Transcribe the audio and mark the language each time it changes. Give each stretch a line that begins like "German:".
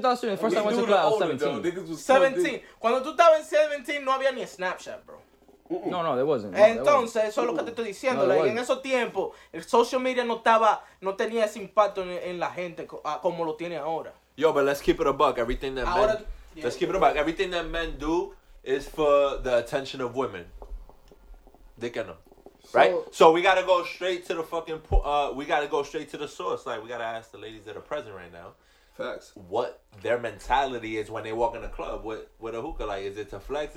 English: The first time I went to the club, I was 17.
Spanish: Cuando tú estabas en 17, no había ni Snapchat, bro.
English: No, there wasn't.
Spanish: Entonces, eso es lo que te estoy diciendo. No, like, en esos tiempos, el social media no tenía ese impacto en la gente como lo tiene ahora.
English: Yo, but let's keep it a buck. Everything that men do is for the attention of women. They can know. Right? So we got to go straight to the fucking... we got to go straight to the source. Like, we got to ask the ladies that are present right now. Facts. What their mentality is when they walk in a club with a hookah. Like, is it to flex?